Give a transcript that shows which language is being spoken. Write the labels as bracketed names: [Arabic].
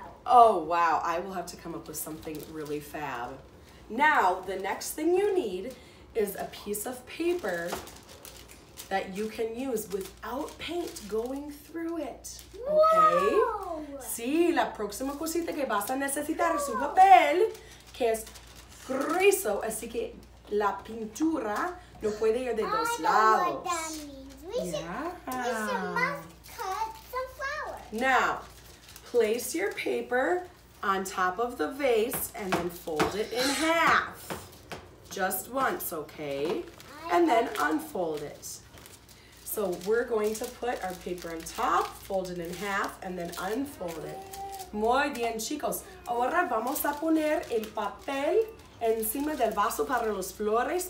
[English] Oh, wow, I will have to come up with something really fab. Now, the next thing you need is a piece of paper that you can use without paint going through it. Okay? Wow. [Spanish] Sí, la próxima cosita que vas a necesitar es un papel que es grueso, así que la pintura no puede ir de dos lados. [English] I know what that means. We should must cut some flowers. Now, place your paper on top of the vase and then fold it in half. Just once, okay? And then unfold it. So we're going to put our paper on top, fold it in half, and then unfold it. [Spanish] Muy bien, chicos. Ahora vamos a poner el papel encima del vaso para los flores.